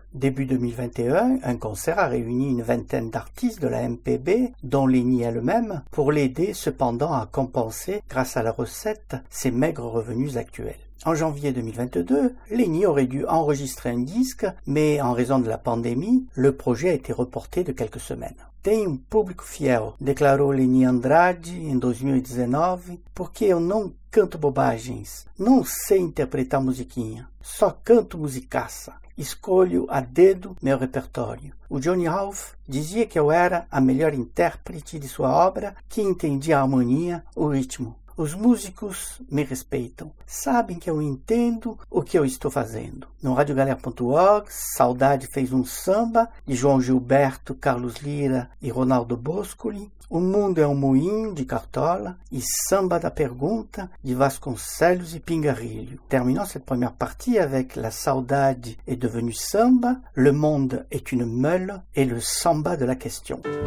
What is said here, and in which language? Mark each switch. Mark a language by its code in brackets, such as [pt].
[fr] Début 2021, un concert a réuni une vingtaine d'artistes de la MPB, dont Lenny elle-même, pour l'aider cependant à compenser, grâce à la recette, ses maigres revenus actuels. En janvier 2022, Lenny aurait dû enregistrer un disque, mais en raison de la pandémie, le projet a été reporté de quelques semaines. [pt] « Tem um público fiel », déclarou Lenny Andrade em 2019, « porque eu não canto bobagens, não sei interpretar musiquinha, só canto musicaça. Escolho a dedo meu repertório. O Johnny Ralph dizia que eu era a melhor intérprete de sua obra, que entendia a harmonia, o ritmo. Os músicos me respeitam, sabem que eu entendo o que eu estou fazendo. No radiogalera.org, Saudade fez um samba de João Gilberto, Carlos Lira e Ronaldo Boscoli. O Mundo é um Moinho de Cartola e Samba da Pergunta de Vasconcelos e Pingarrilho. [fr] Terminant cette première partie avec La Saudade est devenue samba, Le Monde est une meule et Le Samba de la Question.